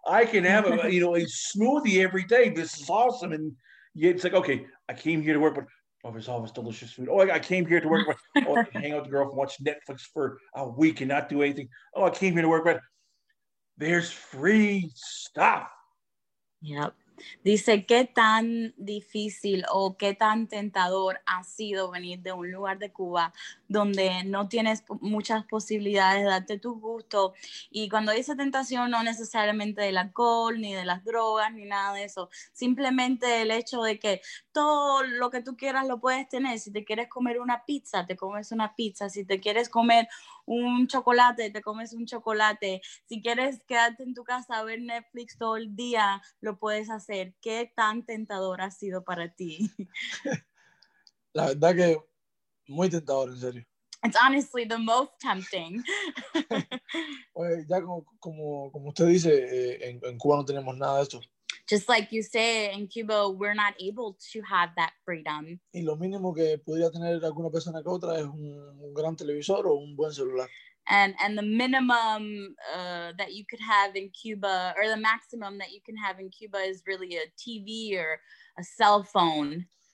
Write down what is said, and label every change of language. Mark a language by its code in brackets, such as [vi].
[en] I can have a, you know, a smoothie every day. This is awesome. And yeah, it's like, okay, I came here to work, but oh, there's all this delicious food. Oh, I came here to work, but oh, I can hang out with the girlfriend, watch Netflix for a week and not do anything. Oh, I came here to work, but there's free stuff. Yep. [es] Dice, ¿qué tan difícil o qué tan tentador ha sido venir de un lugar de Cuba donde no tienes muchas posibilidades de darte tu gusto? Y cuando dice tentación, no necesariamente del alcohol, ni de las drogas, ni nada de eso. Simplemente el hecho de que todo lo que tú quieras lo puedes tener. Si te quieres comer una pizza, te comes una pizza. Si te quieres comer un chocolate, te comes un chocolate. Si quieres quedarte en tu casa a ver Netflix todo el día, lo puedes hacer. ¿Qué tan tentador ha sido para ti? La verdad que muy tentador, en serio. [en] It's honestly the most tempting. [es] Pues ya como usted dice, en Cuba no tenemos nada de esto. [en] Just like you say, in Cuba, we're not able to have that freedom. [es] Y lo mínimo que podría tener alguna persona que otra es un gran televisor o un buen celular. [en] And the minimum that you could have in Cuba, or the maximum that you can have in Cuba is really a TV or a cell phone.